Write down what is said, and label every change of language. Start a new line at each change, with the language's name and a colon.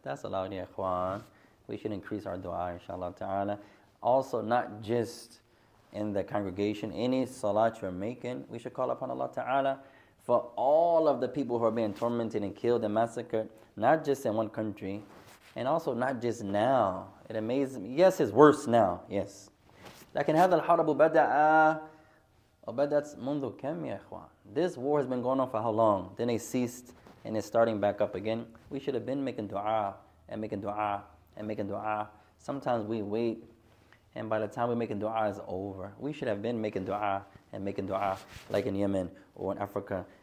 English: That's allowed, ya ikhwan. We should increase our dua, inshallah ta'ala. Also, not just in the congregation, any salat you're making, we should call upon Allah ta'ala for all of the people who are being tormented and killed and massacred, not just in one country, and also not just now. It amazes me. Yes, it's worse now, yes.
Arabic: لكن هذا الحرب بدأ وبدأت منذ كم يا إخوان.
English: This war has been going on for how long? Then it ceased and it's starting back up again. We should have been making dua and making dua and making dua. Sometimes we wait and by the time we're making dua is over. We should have been making dua and making dua like in Yemen or in Africa.